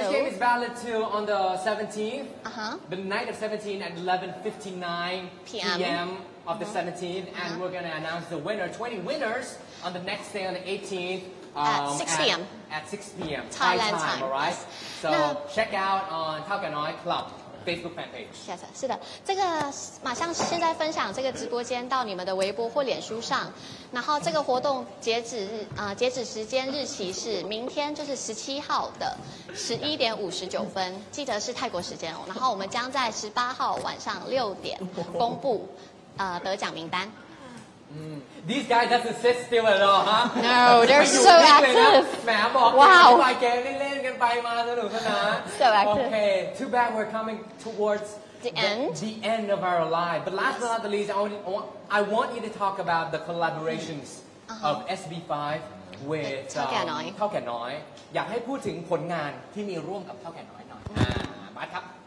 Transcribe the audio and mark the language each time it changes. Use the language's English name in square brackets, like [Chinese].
[English] This game is valid till on the 17th. Uh-huh. The night of 17th at 11:59 p.m. of the 17th. And we're going to announce the winner, 20 winners, on the next day on the 18th. At 6 p.m. Thailand time, all right? So check out on How Can I Club. Facebook fan page. [Chinese] Yes, 是的，这个马上现在分享这个直播间到你们的微博或脸书上，然后这个活动截止时间日期是明天，就是17号的11:59，记得是泰国时间哦。然后我们将在18号晚上6点公布得奖名单。 [English] These guys doesn't sit still at all, huh? No, they're so active. Wow. So active. Okay, too bad we're coming towards the end of our live. But last but not the least, I want you to talk about the collaborations of SB5 with Thao Khao Noi. [Thai] อยากให้พูดถึงผลงานที่มีร่วมกับ Thao Khao Noi หน่อย บาสครับ